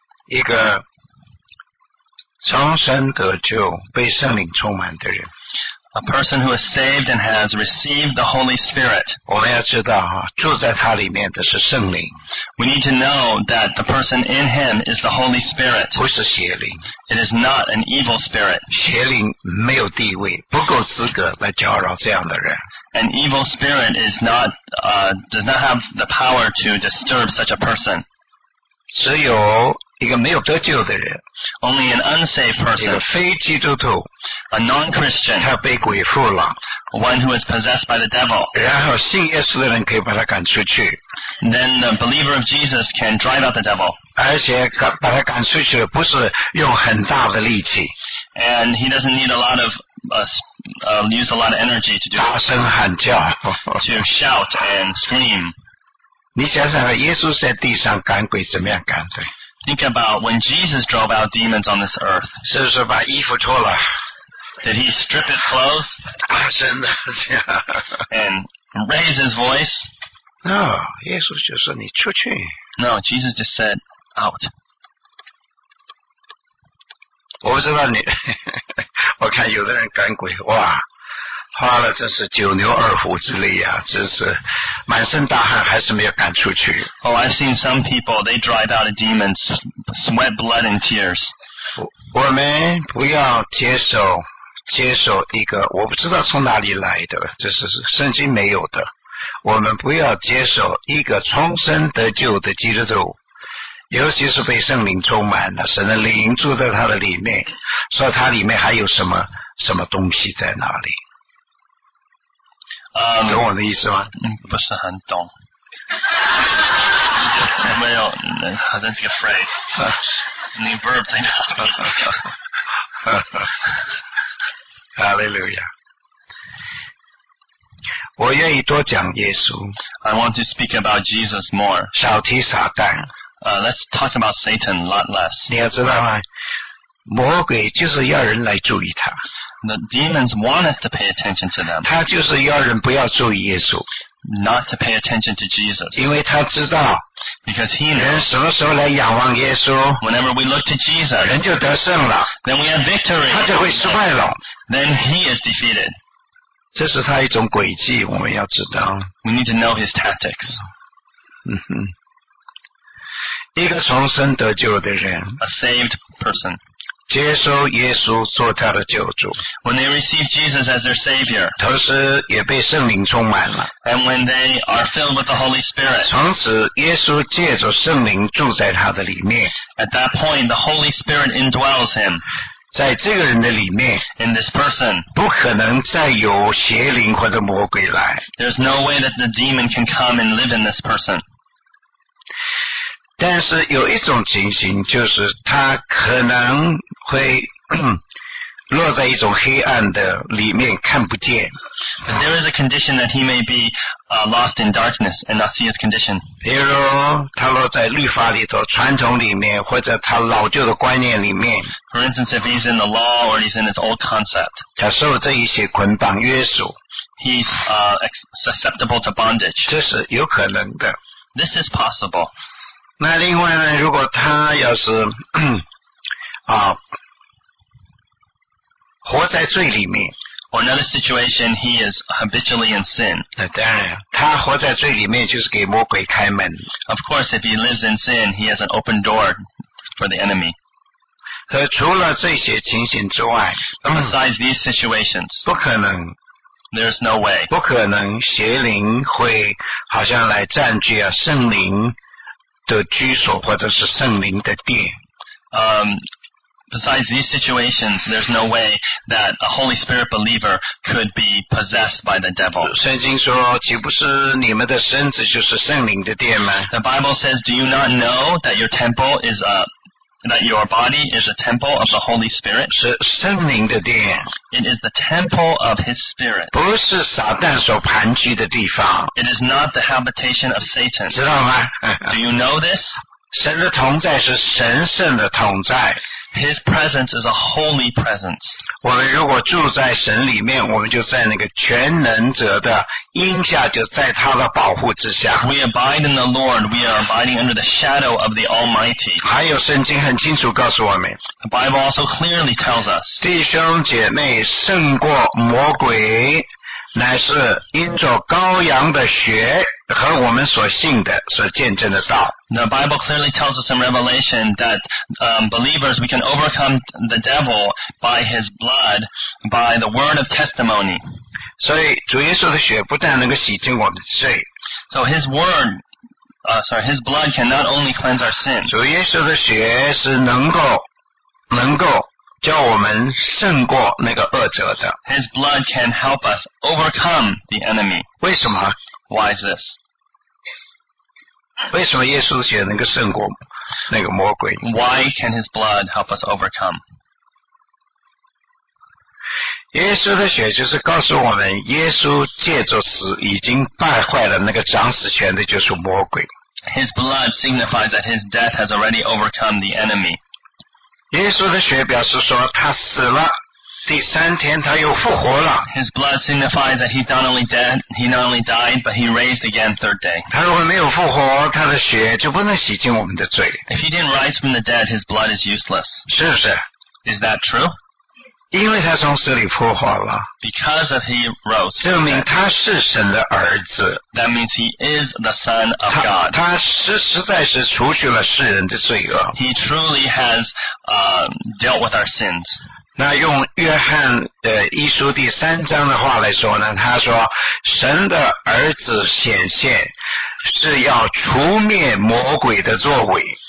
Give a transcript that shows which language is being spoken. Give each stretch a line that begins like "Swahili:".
Chinese: 一个重生得救被圣灵充满的人。
English: A person who is saved and has received the Holy Spirit.
Chinese: 我们要知道啊，住在他里面的是圣灵。
English: We need to know that the person in him is the Holy Spirit.
Chinese: 不是邪灵。
English: It is not an evil spirit.
Chinese: 邪灵没有地位，不够资格来搅扰这样的人。
English: An evil spirit is not, does not have the power to disturb such a person.
Chinese: 只有一个没有得救的人。
English: Only an unsaved person.
Chinese: 一个非基督徒。
English: A non-Christian.
Chinese: 他被鬼附了。
English: One who is possessed by the devil.
Chinese: 然后信耶稣的人可以把他赶出去。
English: Then the believer of Jesus can drive out the devil.
Chinese: 而且把他赶出去不是用很大的力气。
English: And he doesn't need a lot of use a lot of energy to do
Chinese: 大声喊叫
English: to shout and scream.
Chinese: 你想想耶稣在地上赶鬼怎么样赶的？
English: Think about when Jesus drove out demons on this earth.
Chinese: 是不是把衣服脱了？
English: Did he strip his clothes?
Chinese: 大声的
English: and raise his voice?
Chinese: No, 耶稣就说你出去。
English: No, Jesus just said out.
Chinese: 我不知道你我看有的人赶鬼哇花了真是九牛二虎之力啊，真是满身大汗还是没有赶出去。
English: Oh, I've seen some people, they drive out a demon, sweat blood and tears.
Chinese: 我们不要接受一个我不知道从哪里来的，这是圣经没有的，我们不要接受一个重生得救的基督徒，尤其是被圣灵充满了，神的灵住在他的里面，说他里面还有什么东西在哪里？懂我的意思吗？不是很懂。没有，好像是个 phrase， 你 verb 在哪里？哈利路亚！我愿意多讲耶稣。
English: I want to speak about Jesus more。
Chinese: 少提撒旦。
English: Let's talk about Satan a lot less.
Chinese: 你要知道吗？魔鬼就是要人来注意他。
English: The demons want us to pay attention to them.
Chinese: 他就是要人不要注意耶稣。
English: Not to pay attention to Jesus.
Chinese: 因为他知道。
English: Because he knows.
Chinese: 人什么时候来仰望耶稣
English: ？Whenever we look to Jesus,
Chinese: 人就得胜了。
English: Then we have victory.
Chinese: 他就会失败了。
English: Then he is defeated.
Chinese: 这是他一种诡计，我们要知道。
English: We need to know his tactics.
Chinese: 嗯哼。一个重生得救的人
English: A saved person
Chinese: 接受耶稣做他的救主
English: When they receive Jesus as their savior
Chinese: 同时也被圣灵充满了
English: And when they are filled with the Holy Spirit
Chinese: 从此耶稣借着圣灵住在他的里面
English: At that point the Holy Spirit indwells him
Chinese: 在这个人的里面
English: In this person
Chinese: 不可能再有邪灵或者魔鬼来
English: There's no way that the demon can come and live in this person
Chinese: 但是有一种情形就是他可能会落在一种黑暗的里面看不见。
English: But there is a condition that he may be、lost in darkness and not see his condition.
Chinese: 比如他落在律法里头传统里面或者他老旧的观念里面。
English: For instance, if he's in the law or he's in his old concept.
Chinese: 他受这一些捆绑约束。
English: He's、susceptible to bondage.
Chinese: 这是有可能的。
English: This is possible.
Chinese: 那另外呢如果他要是活在罪里面。
English: Or another situation, he is habitually in sin.
Chinese: 那当然，他活在罪里面就是给魔鬼开门。
English: Of course, if he lives in sin, he has an open door for the enemy.
Chinese: 和除了这些情形之外
English: But besides these situations,
Chinese: 不可能
English: There's no way.
Chinese: 不可能邪灵会好像来占据啊圣灵的居所或者是圣灵的殿。
English: Besides these situations, there's no way that a Holy Spirit believer could be possessed by the devil.
Chinese: 圣经说，岂不是你们的身子就是圣灵的殿吗？
English: The Bible says, do you not know that your temple is a, that your body is a temple of the Holy Spirit?
Chinese: 是圣灵的殿。
English: It is the temple of His Spirit.
Chinese: 不是撒旦所盘踞的地方。
English: It is not the habitation of Satan.
Chinese: 知道吗？
English: Do you know this?
Chinese: 神的同在是神圣的同在。
English: His presence is a holy presence.
Chinese: 我们如果住在神里面，我们就在那个全能者的荫下，就在他的保护之下。
English: We abide in the Lord. We are abiding under the shadow of the Almighty.
Chinese: 还有圣经很清楚告诉我们。
English: The Bible also clearly tells us.
Chinese: 弟兄姐妹胜过魔鬼，乃是因着羔羊的血和我们所信的、所见证的道。
English: The Bible clearly tells us in Revelation that、believers, we can overcome the devil by his blood, by the word of testimony.
Chinese: 所以主耶稣的血不但能够洗净我们的罪。
English: So his word,、sorry, his blood can not only cleanse our sin.
Chinese: 主耶稣的血是能够叫我们胜过那个恶者的。
English: His blood can help us overcome the enemy.
Chinese: 为什么？
English: Why is this?
Chinese: 为什么耶稣的血能够胜过那个魔鬼？
English: Why can his blood help us overcome?
Chinese: 耶稣的血就是告诉我们，耶稣借着死已经败坏了那个掌死权的，就是魔鬼。
English: His blood signifies that his death has already overcome the enemy.
Chinese: 耶稣的血表示说他死了。第三天他又复活了。
English: His blood signifies that he not only died, but he raised again third day.
Chinese: 他如果没有复活，他的血就不能洗净我们的罪。
English: If he didn't rise from the dead, his blood is useless.
Chinese: 是不是？
English: Is that true?
Chinese: 因为他从死里复活了。
English: Because of he rose.
Chinese: 证明他是神的儿子。
English: That means he is the son of God.
Chinese: 他实在是除去了世人的罪恶。
English: He truly has, dealt with our sins.
Chinese: 那用约翰的一书第三章的话来说呢，他说神的儿子显现是要除灭魔鬼的作为。